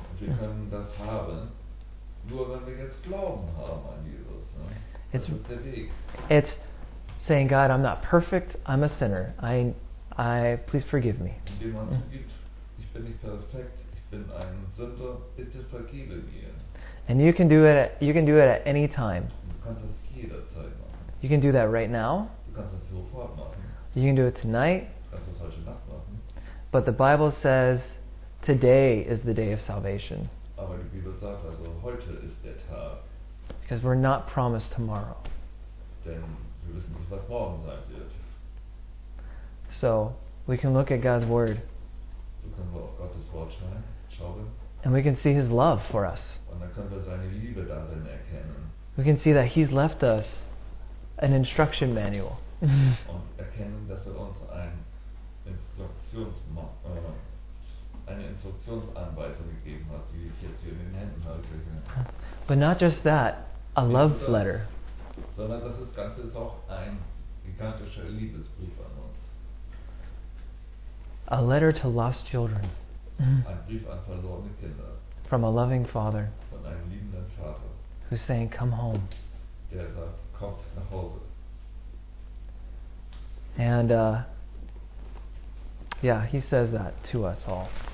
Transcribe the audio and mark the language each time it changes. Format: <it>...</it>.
<de>Und wir können das haben, nur wenn wir jetzt Glauben haben an Jesus. Ne?</de> <en>It's,</en> <de>das ist der Weg.</de> <en>It's saying, God, I'm not perfect. I'm a sinner. I please forgive me.</en> <de>Indem man zugibt, ich bin nicht perfekt. Ich bin ein Sünder. Bitte vergebe mir.</de> <en>And you can do it. You can do it at any time.</en> <de>Du kannst das jederzeit machen.</de> <en>You can do that right now.</en> <de>Du kannst das sofort machen.</de> <en>You can do it tonight.</en> <de>Kannst du es heute Nacht machen.</de> <en>But the Bible says today is the day of salvation.</en> <de>Aber die Bibel sagt, also heute ist der Tag.</de> <en>Because we're not promised tomorrow.</en> <de>Denn wir wissen nicht, was morgen sein wird.</de> <en>So, we can look at God's word.</en> <de>So können wir auf Gottes Wort schauen.</de> <en>And we can see his love for us.</en> <de>Und dann können wir seine Liebe darin erkennen.</de> <en>We can see that he's left us an instruction manual.</en> <de>Und erkennen, dass er uns eine Instruktionsanweisung gegeben hat, die ich jetzt hier in den Händen halte.</de> <en>But not just that, a love letter.</en> <de>Sondern das Ganze ist auch ein gigantischer Liebesbrief an uns.</de> <en>A letter to lost children.</en> <de>Ein Brief an verlorene Kinder.</de> <en>From a loving father.</en> <de>Von einem liebenden Vater.</de> <en>Who's saying, come home.</en> <de>Der sagt, kommt nach Hause.</de> <en>And Yeah, he says that to us all.</en>